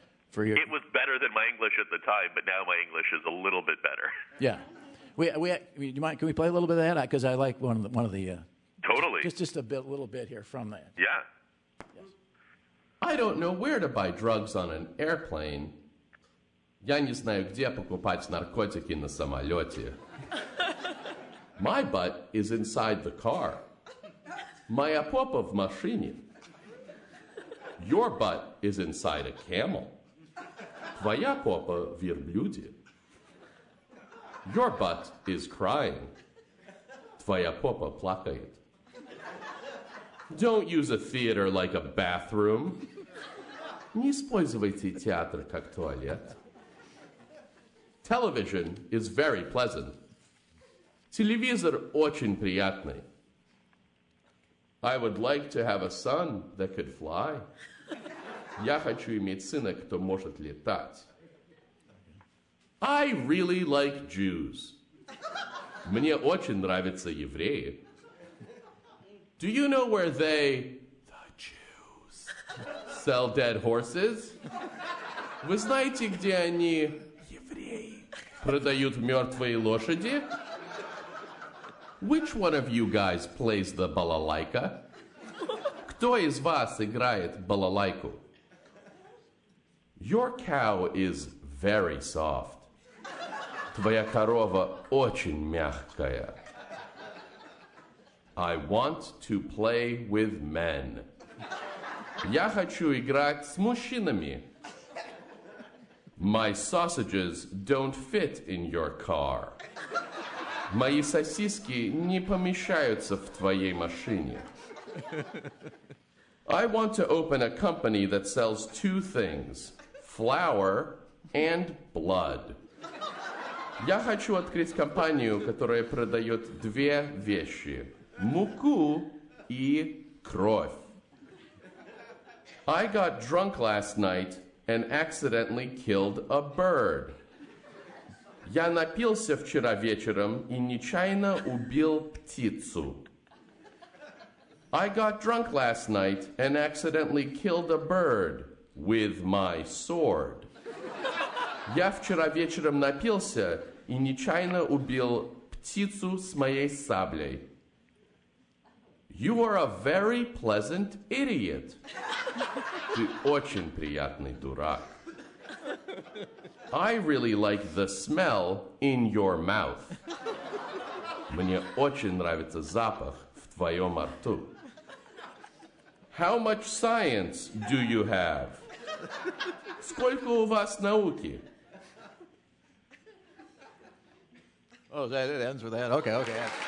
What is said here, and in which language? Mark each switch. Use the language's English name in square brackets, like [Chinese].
[English] It was better than my English at the time, but now my English is a little bit better. Yeah. Can we play a little bit of that? Because I like one of the... Totally. Just a bit, little bit here from that. Yeah. Yes. I don't know where to buy drugs on an airplane. [Russian] Я не знаю, где покупать наркотики на самолете. [English] My butt is inside the car. [Russian] Моя попа в машине. [English] Your butt is inside a camel. [Russian] Твоя попа в верблюде. [English] Your butt is crying. [Russian] Твоя попа плакает. [English] Don't use a theater like a bathroom. [Russian] Не используйте театр как туалет. [English] Television is very pleasant. [Russian] Телевизор очень приятный. [English] I would like to have a son that could fly. [Russian] Я хочу иметь сына, кто может летать. [English] I really like Jews. [Russian] Мне очень нравятся евреи. [English] Do you know where they, the Jews, sell dead horses? [Russian] Вы знаете, где они, евреи, продают мертвые лошади? [English] Which one of you guys plays the balalaika? [Russian] Кто из вас играет балалайку? [English] Your cow is very soft. [Russian] Твоя корова очень мягкая. [English] I want to play with men. [Russian] Я хочу играть с мужчинами. [English] My sausages don't fit in your car. [Russian] Мои сосиски не помещаются в твоей машине. [English] I want to open a company that sells two things, flour and blood. [Russian] Я хочу открыть компанию, которая продает две вещи, муку и кровь. [English] I got drunk last night and accidentally killed a bird. [Russian] Я напился вчера вечером и нечаянно убил птицу. [English] I got drunk last night and accidentally killed a bird with my sword. [Russian] Я вчера вечером напился и нечаянно убил птицу с моей саблей. [English] You are a very pleasant idiot. [Russian] Ты очень приятный дурак. [English] I really like the smell in your mouth. [Russian] Мне очень нравится запах в твоем рту. [English] How much science do you have? [Russian] Сколько у вас науки? [English] Oh, that it ends with that. Okay, okay.